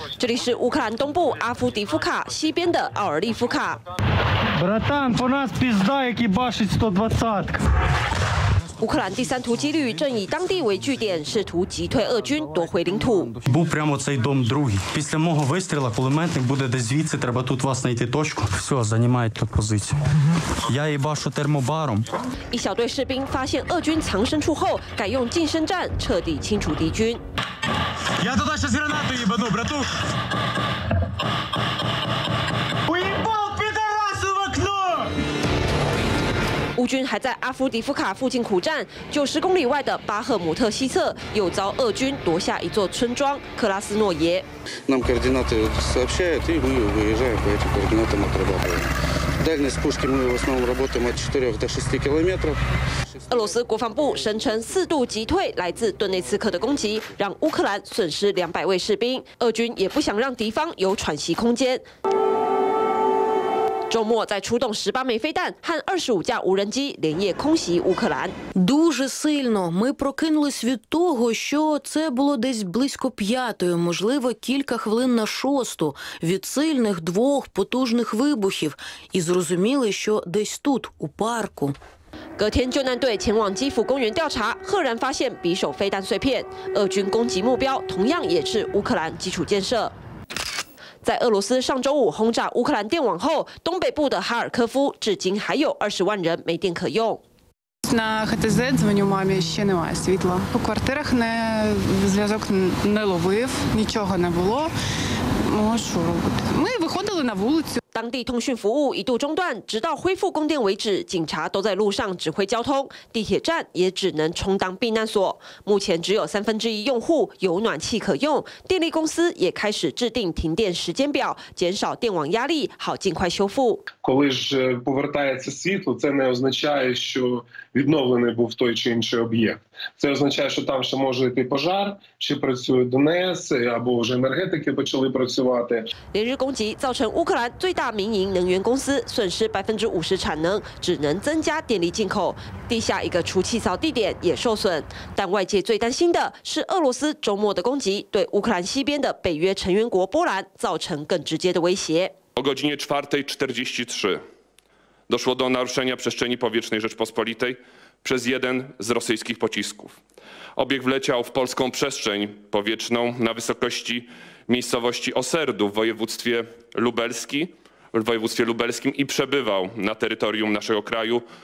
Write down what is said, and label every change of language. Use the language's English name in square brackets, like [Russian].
[Chinese] 这里是乌克兰东部阿夫迪夫卡，西边的奥尔利夫卡。 [Ukrainian] Братан, по нас пізда, який башить 120. [Chinese] 乌克兰第三突击旅正以当地为据点，试图击退俄军，夺回领土。 [Ukrainian] Був прямо цей дом другий. Після мого вистріла кулеметник буде десь звідси, треба тут вас знайти точку. Все, займають тут позицію. Я її бачу термобаром. [Chinese] 一小队士兵发现俄军藏身处后，改用近身战，彻底清除敌军。 [Ukrainian] Я туди ще з гранатою їбану, братух. [Chinese] 乌军还在阿夫迪夫卡附近苦战，90公里外的巴赫姆特西侧又遭俄军夺下一座村庄克拉斯诺耶。 [Russian] Нам координаты сообщают, и мы выезжаем по этим координатам отрабатываем. Дальность пушки мы в основном работаем от 4 до 6 километров. [Chinese] 俄罗斯国防部声称四度击退来自顿内茨克的攻击，让乌克兰损失200位士兵。俄军也不想让敌方有喘息空间。周末再出动18枚飞弹和25架无人机连夜空袭乌克兰。 [Ukrainian] Дуже сильно. Ми прокинулись від того, що це було десь близько п'ятої, можливо, кілька хвилин на шосту, від сильних двох потужних вибухів, і зрозуміли, що десь тут, у парку. [Chinese] 隔天，救难队前往基辅公园调查，赫然发现匕首飞弹碎片。俄军攻击目标同样也是乌克兰基础建设。在俄罗斯上周五轰炸乌克兰电网后，东北部的哈尔科夫至今还有20万人没电可用。 [Ukrainian] На ХТЗ дзвоню мамі, ще немає світла. По квартирах не зв'язок не ловив, нічого не було. Можу робити. Ми виходили на вулицю. [Chinese] 当地通讯服务一度中断，直到恢复供电为止，警察都在路上指挥交通，地铁站也只能充当避难所。目前只有1/3用户有暖气可用，电力公司也开始制定停电时间表，减少电网压力，好尽快修复。 [Ukrainian] Коли ж повертається світло, це не означає, що відновлений був той чи інший об'єкт. Це означає, що там ще може йти пожар, ще працює ДНС, або вже енергетики почали працювати. [Chinese] 连日攻击造成乌克兰最大民营能源公司损失50%产能，只能增加电力进口。地下一个储气槽地点也受损。但外界最担心的是，俄罗斯周末的攻击对乌克兰西边的北约成员国波兰造成更直接的威胁。 [Polish] O godzinie 4:43 doszło do naruszenia przestrzeni powietrznej Rzeczpospolitej przez jeden z rosyjskich pocisków. Obiekt wleciał w polską przestrzeń powietrzną na wysokości miejscowości Oserdu w województwie lubelskim, i przebywał na terytorium naszego kraju.